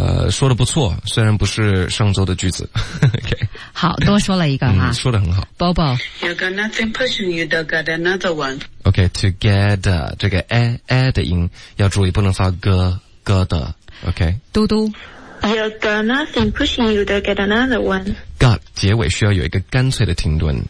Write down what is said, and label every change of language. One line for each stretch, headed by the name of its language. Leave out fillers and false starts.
Chinese: 说得不错，虽然不是上周的句子。 okay. 好，多说了一个哈，说得很好。 Bobo，
English: You got nothing pushing you to get another one.
Chinese: Okay, together 这个 a a 的音要注意，不能发 g 个的。OK，嘟嘟。
English: You got nothing pushing you to get another one.
Chinese: Got 结尾需要有一个干脆的停顿。